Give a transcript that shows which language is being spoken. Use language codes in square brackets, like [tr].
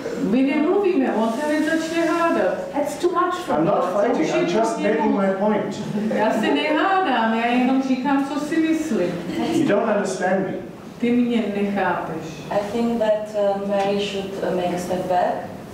[cs] My nemluvíme, on se začne hádat. [en] That's too much for I'm not fighting, I'm just making my point. [cs] Já se nehádám, já jenom říkám, co si myslí. [en] You don't understand me. [cs] Ty mě nechápeš. [en] I think that Mary should make a step back.